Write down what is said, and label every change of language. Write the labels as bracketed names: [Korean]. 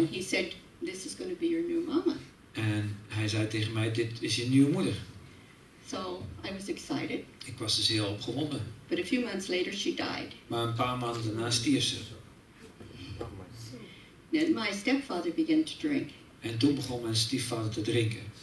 [English] And he said, this is going to be your new mama. [Dutch] En hij zei tegen mij, dit is je nieuwe moeder. [English] So I was excited. [Dutch] Ik was dus heel opgewonden. [English] But a few months later she died. [Dutch] Maar een paar maanden daarna stierf ze. [English] Then my stepfather began to drink. [Dutch] En toen begon mijn stiefvader te drinken.